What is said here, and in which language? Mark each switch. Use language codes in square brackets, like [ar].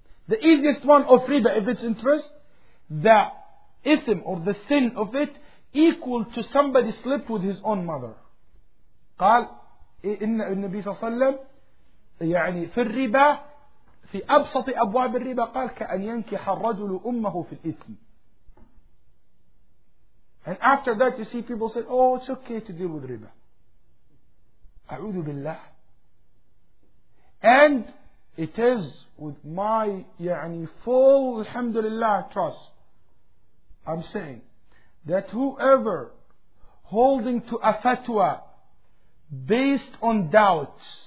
[en] The easiest one of riba, if it's interest, the ism or the sin of it equal to somebody slept with his own mother. [ar] قال إن النبي صلى الله عليه وسلم يعني في الربا في أبسط أبواب الربا قال كأن ينكح الرجل أمه في الإثم. [en] And after that you see people say, oh, it's okay to deal with riba. [ar] أعوذ بالله. [en] And it is with my يعني full alhamdulillah trust, I'm saying that whoever holding to a fatwa based on doubts